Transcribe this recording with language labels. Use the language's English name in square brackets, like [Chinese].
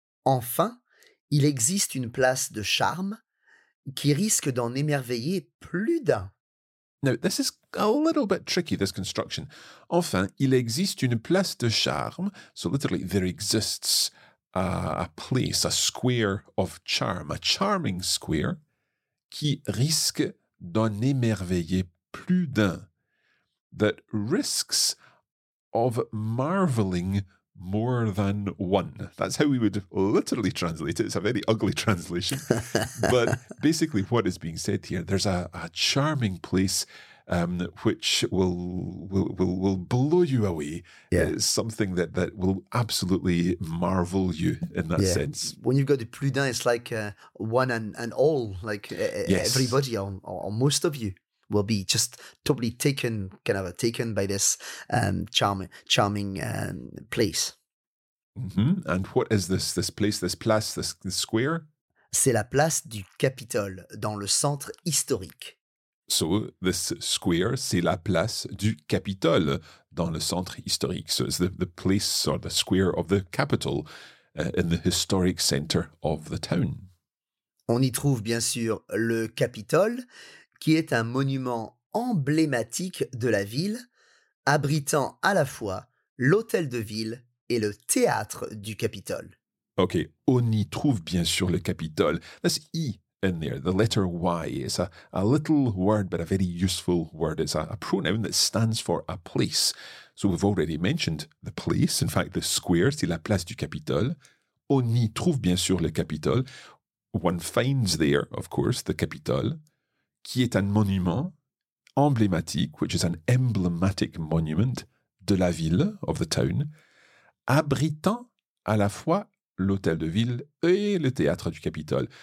[French] Enfin, il existe une place de charme qui risque d'en émerveiller plus d'un. [English] Now, this is a little bit tricky, this construction. [French] Enfin, il existe une place de charme. [English] So literally, there exists a place, a square of charm, a charming square, [French] qui risque d'en émerveiller plus d'un. [English] That risks of marveling more than one. That's how we would literally translate it. It's a very ugly translation. But basically what is being said here, there's a charming place which will blow you away. Yeah. Something that will absolutely marvel you in that sense. When you've got [French] plus d'un, [English] it's like one and all, like everybody or most of you will be just totally taken, kind of taken by this charming place. Mm-hmm. And what is this place, this place, this square? [French] C'est la place du Capitole, dans le centre historique. [English] So, this square, [French] c'est la place du Capitole, dans le centre historique. [English] So, it's the place or the square of the Capitol, in the historic centre of the town. [French] On y trouve, bien sûr, le Capitole, qui est un monument emblématique de la ville, abritant à la fois l'hôtel de ville et le théâtre du Capitole. OK, on y trouve bien sûr le Capitole. [English] This E in there, the letter Y, is a little word, but a very useful word. It's a pronoun that stands for a place. So we've already mentioned the place. In fact, the square, [French] c'est la place du Capitole. On y trouve bien sûr le Capitole. [English] One finds there, of course, the Capitole, [French] qui est un monument emblématique, [English] which is an emblematic monument, [French] de la ville, [English] of the town, [French] abritant à la fois l'hôtel de ville et le théâtre du Capitole.